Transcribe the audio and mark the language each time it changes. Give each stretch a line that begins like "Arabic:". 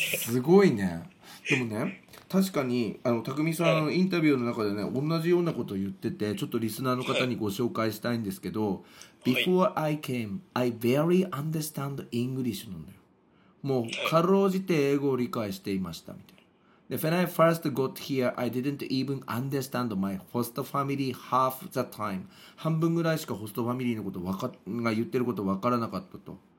Japanese: すごいね。でもね、確かにあの匠さんのインタビューの中でね、はい、同じようなことを言ってて、ちょっとリスナーの方にご紹介したいんですけど、はい、
English: Before I came, I barely understand English
Japanese: なんだよ。もうかろうじて英語を理解していましたみたいな。
English: When I first got here, I didn't even understand my host family half the time.
Japanese: 半分ぐらいしかホストファミリーのことが言ってることわからなかったと。